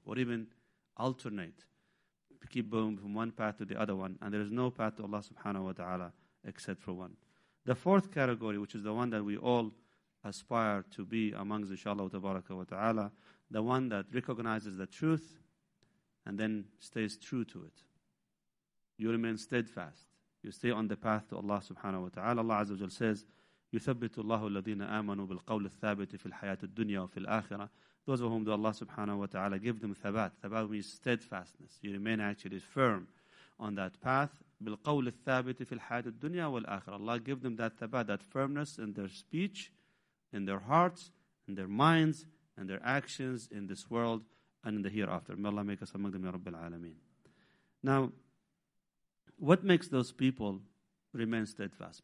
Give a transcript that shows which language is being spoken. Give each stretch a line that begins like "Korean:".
English: Or even alternate. Keep going from one path to the other one, and there is no path to Allah subhanahu wa ta'ala except for one. The fourth category, which is the one that we all aspire to be amongst, inshallah tabaraka wa ta'ala, the one that recognizes the truth and then stays true to it. You remain steadfast. You stay on the path to Allah subhanahu wa ta'ala.
Arabic: Allah azza wa jal says, يُثَبِّتُ اللَّهُ الَّذِينَ آمَنُوا بِالْقَوْلِ الثَّابِتِ فِي الْحَيَاةِ الدُّنْيَا وَفِي الْآخِرَةِ.
English: Those of whom do Allah subhanahu wa ta'ala give them thabat. Thabat means steadfastness. You remain actually firm on that path.
Arabic: بالقول الثابت في الحياة الدنيا والآخرة.
English: Allah give them that thabat, that firmness in their speech, in their hearts, in their minds, in their actions, in this world, and in the hereafter. May Allah make us among them, Ya Rabbil Alameen. Now, what makes those people remain steadfast?